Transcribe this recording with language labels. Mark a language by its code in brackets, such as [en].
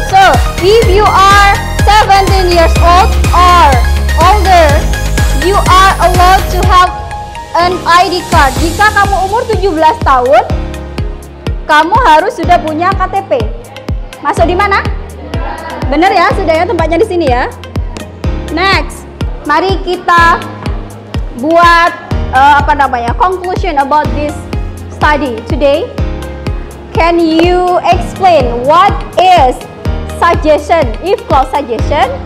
[en] So, if you are 17 years old or older, you are allowed to have an ID card. [id] Jika kamu umur 17 tahun, kamu harus sudah punya KTP. Masuk di mana? Bener ya, sudah ya, tempatnya di sini ya. [en] Next, [id] mari kita buat [en] conclusion about this study today. Can you explain what is suggestion, if clause suggestion?